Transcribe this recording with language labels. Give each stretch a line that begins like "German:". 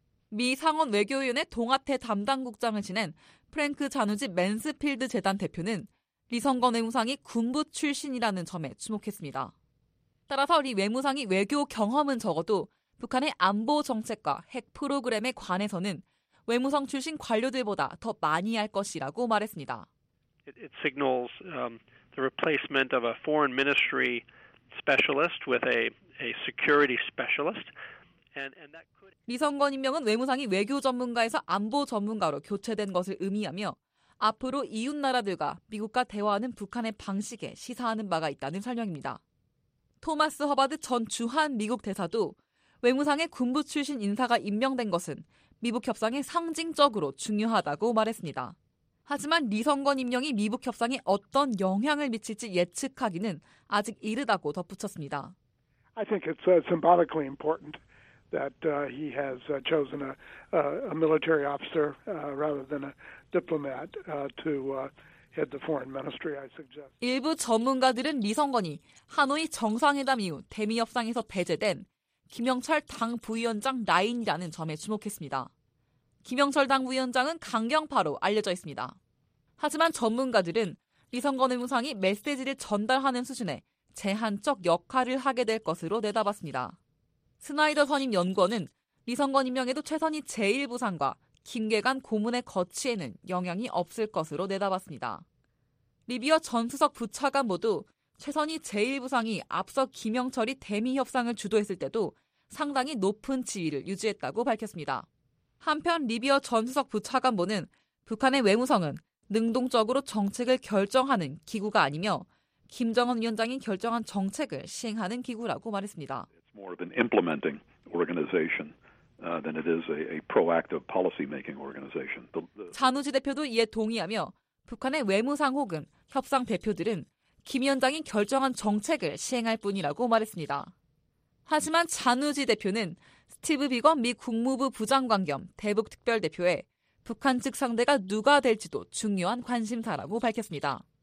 Korean: 미 상원 외교위원회 동아태 담당 국장을 지낸 프랭크 자누지 맨스필드 재단 대표는 리 선건 외무상이 군부 출신이라는 점에 주목했습니다. 따라서 리 외무상이 외교 경험은 적어도 북한의 안보 정책과 핵 프로그램에 관해서는 외무성 출신 관료들보다 더 많이 할 것이라고 말했습니다.
English: It signals the replacement of a foreign ministry specialist with a security specialist.
Korean: 리 선건 임명은 외무상이 외교 전문가에서 안보 전문가로 교체된 것을 의미하며 앞으로 이웃나라들과 미국과 대화하는 북한의 방식에 시사하는 바가 있다는 설명입니다. 토마스 허바드 전 주한 미국 대사도 외무상의 군부 출신 인사가 임명된 것은 미북 협상에 상징적으로 중요하다고 말했습니다. 하지만 리 선건 임명이 미북 협상에 어떤 영향을 미칠지 예측하기는 아직 이르다고 덧붙였습니다.
English: I think it's symbolically important. That he has chosen a military officer rather than a diplomat to head the foreign ministry. I suggest.
Korean: 일부 전문가들은 리 선건이 하노이 정상회담 이후 대미 협상에서 배제된 김영철 당 부위원장 라인이라는 점에 주목했습니다. 김영철 당 부위원장은 강경파로 알려져 있습니다. 하지만 전문가들은 리 선건 외무상이 메시지를 전달하는 수준에 제한적 역할을 하게 될 것으로 내다봤습니다. 스나이더 선임 연구원은 리선건 임명에도 최선희 제1부상과 김계관 고문의 거취에는 영향이 없을 것으로 내다봤습니다. 리비어 전수석 부차관 모두 최선희 제1부상이 앞서 김영철이 대미 협상을 주도했을 때도 상당히 높은 지위를 유지했다고 밝혔습니다. 한편 리비어 전수석 부차관보는 북한의 외무성은 능동적으로 정책을 결정하는 기구가 아니며 김정은 위원장이 결정한 정책을 시행하는 기구라고 말했습니다.
English: It's more of an implementing organization than it is a proactive policy-making organization.
Korean: 잔우지 대표도 이에 동의하며 북한의 외무상 혹은 협상 대표들은 김 위원장이 결정한 정책을 시행할 뿐이라고 말했습니다. 하지만 잔우지 대표는 스티브 비건 미 국무부 부장관 겸 대북특별대표에 북한 측 상대가 누가 될지도 중요한 관심사라고 밝혔습니다.